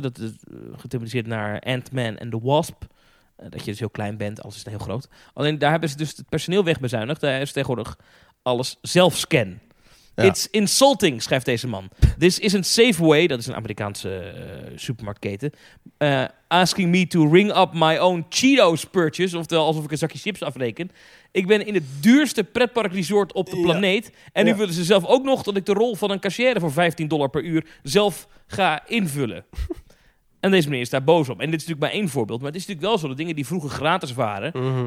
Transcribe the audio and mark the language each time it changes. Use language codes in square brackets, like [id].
[nl] Dat is getimuliseerd naar Ant-Man en The Wasp. Dat je dus heel klein bent, alles is heel groot. Alleen daar hebben ze dus het personeel wegbezuinigd. Daar is tegenwoordig alles zelf scan. Ja. [en] It's insulting, [nl] schrijft deze man. [en] This isn't Safeway, [nl] dat is een Amerikaanse supermarktketen. [en] Asking me to ring up my own Cheetos purchase. [nl] Oftewel alsof ik een zakje chips afreken. Ik ben in het duurste pretparkresort op de planeet. En nu willen ze zelf ook nog dat ik de rol van een cashier voor $15 per uur zelf ga invullen. En deze meneer is daar boos op. En dit is natuurlijk maar één voorbeeld. Maar het is natuurlijk wel zo dat dingen die vroeger gratis waren, mm-hmm.